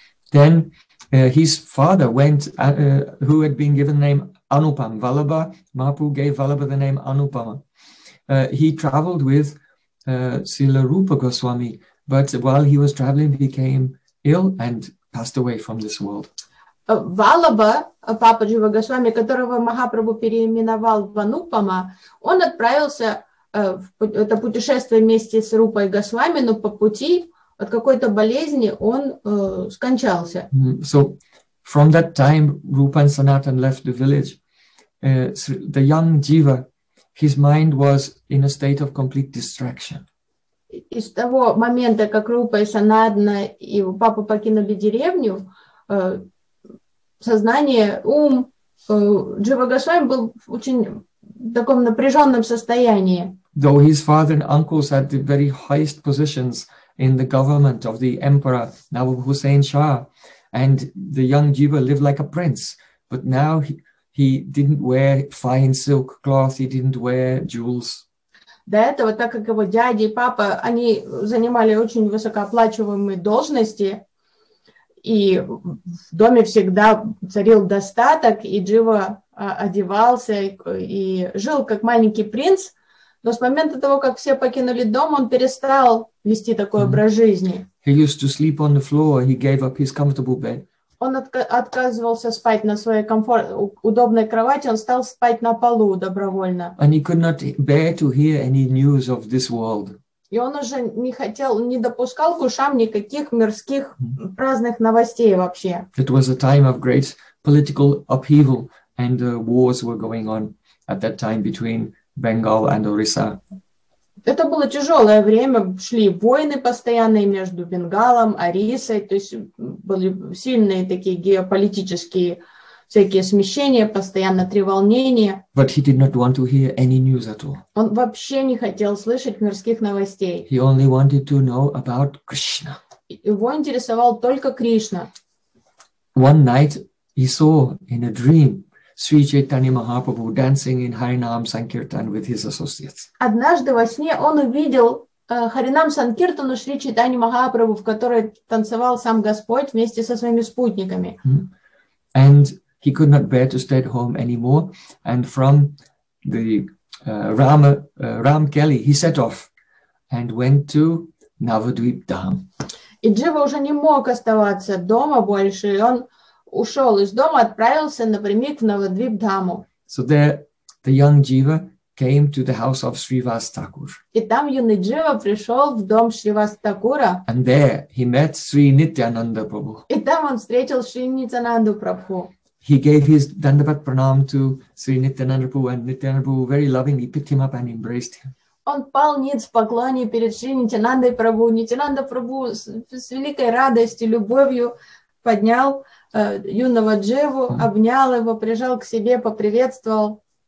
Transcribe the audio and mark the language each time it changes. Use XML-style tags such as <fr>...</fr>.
<en>Then his father went, who had been given the name Anupam, Vallabha, Mahaprabhu gave Vallabha the name Anupama. He traveled with Srila Rupa Goswami, but while he was traveling, he became ill and passed away from this world.</en> <ru>Валаба, папа Джива Госвами, которого Махапрабху переименовал в Анупама, он отправился это путешествие вместе с Рупой Госвами, но по пути от какой-то болезни он скончался.</ru> <en>So from that time Rupa and Sanatan left the village. The young Jiva, his mind was in a state of complete distraction.</en> <ru>Из того момента, как Рупа и Санатана и его папа покинули деревню, сознание, ум Джива Госвами был в очень таком напряженном состоянии.</ru> <en>Though his father and uncles had the very highest positions in the government of the emperor Nawab Hussein Shah, and the young Jiva lived like a prince, but now he didn't wear fine silk cloth, he didn't wear jewels.</en> <ru>До этого, так как его дядя и папа, они занимали очень высокооплачиваемые должности, и в доме всегда царил достаток, и Джива одевался и жил как маленький принц. Но с момента того, как все покинули дом, он перестал вести такой образ жизни.</ru> <en>He used to sleep on the floor. He gave up his comfortable bed.</en> <ru>Он отказывался спать на своей удобной кровати. Он стал спать на полу добровольно.</ru> <en>And he could not bear to hear any news of this world.</en> <ru>И он уже не хотел, не допускал к ушам никаких мирских праздных новостей вообще.</ru> <en>It was a time of great political upheaval, and wars were going on at that time between Bengal and Orissa.</en> <ru>Это было тяжелое время, шли войны постоянные между Бенгалом, Орисой, то есть были сильные такие геополитические всякие смещения, постоянно три волнения.</ru> <en>But he did not want to hear any news at all.</en> <ru>Он вообще не хотел слышать мирских новостей.</ru> <en>He only wanted to know about Krishna.</en> <ru>Его интересовал только Кришна.</ru> <en>One night he saw in a dream Sri Chaitanya Mahaprabhu dancing in Harinam Sankirtan with his associates.</en> <ru>Однажды во сне он увидел Харинам Санкиртану Шри Чайтани Махапрабху, в которой танцевал сам Господь вместе со своими спутниками.</ru> <en>And he could not bear to stay at home anymore. And from the Ram Kelly, he set off and went to Navadvip Dham.</en> <ru>И Джива уже не мог оставаться дома больше, и он ушел из дома, отправился напрямик в Навадвип Дхаму.</ru> <en>So there, the young Jiva came to the house of Srivas Thakur.</en> <ru>И там юный Джива пришел в дом Шривас Такура.</ru> <en>And there he met Sri Nityananda Prabhu.</en> <ru>И там он встретил Шри Нитянанду Прабху.</ru> <en>He gave his dandavat pranam to Sri Nityananda Prabhu, and Nityananda Prabhu very lovingly picked him up and embraced him.</en> <ru>Он пал ниц в поклоне перед Шри Нитянандой Прабху. Нитянанда Прабху с великой радостью, любовью поднял юного Дживу, обнял его, прижал к себе, поприветствовал.</ru>